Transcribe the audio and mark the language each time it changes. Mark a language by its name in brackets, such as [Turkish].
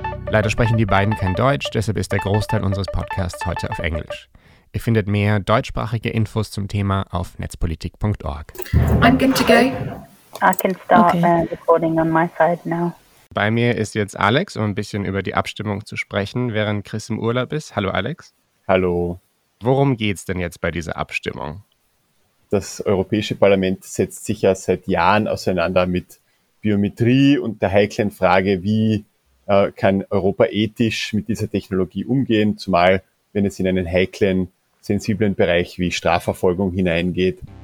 [German] Leider sprechen die beiden kein Deutsch, deshalb ist der Großteil unseres Podcasts heute auf Englisch. Ihr findet mehr deutschsprachige Infos zum Thema auf netzpolitik.org. [English] I'm good to go. I can start recording on my side now. [German] Bei mir ist jetzt Alex, um ein bisschen über die Abstimmung zu sprechen, während Chris im Urlaub ist. Hallo Alex. Hallo. Worum geht's denn jetzt bei dieser Abstimmung? Das Europäische Parlament setzt sich ja seit Jahren auseinander mit Biometrie und der heiklen Frage, wie kann Europa ethisch mit dieser Technologie umgehen, zumal wenn es in einen heiklen, sensiblen Bereich wie Strafverfolgung hineingeht.